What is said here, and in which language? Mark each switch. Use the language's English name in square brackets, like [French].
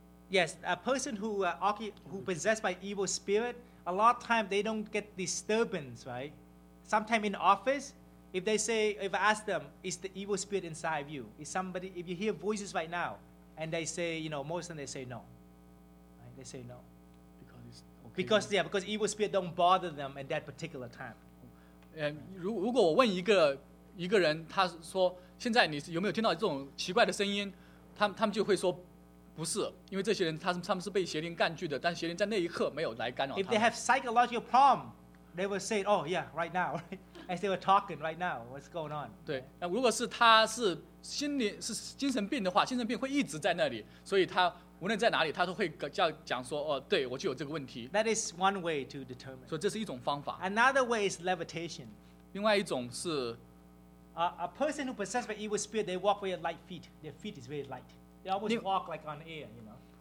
[English] Yes, a person who possessed by evil spirit, a lot of time they don't get disturbance, right? Sometimes in the office, if I ask them, is the evil spirit inside of you? Is somebody, if you hear voices right now, and they say, you know, most of them they say no. Right? They say no. Because it's okay. Because evil spirit don't bother them at that particular time. [Chinese] And 如果我问一个人，他说，现在你有没有听到这种奇怪的声音？他们就会说。不是，因为这些人他们是被邪灵占据的，但邪灵在那一刻没有来干扰他们。 [English] If they have psychological problem, they will say, "Oh yeah, right now." As they were talking, right now, what's going on? [Chinese] 对，那如果是他是心理是精神病的话，精神病会一直在那里，所以他无论在哪里，他都会讲说，哦，对我就有这个问题。 [English] That is one way to determine. [Chinese] 所以这是一种方法。 [English] Another way is levitation. [Chinese] 另外一种是 [English] ，a person who possessed by evil spirit, they walk with light feet. Their feet is very light. They almost walk like on air, you know.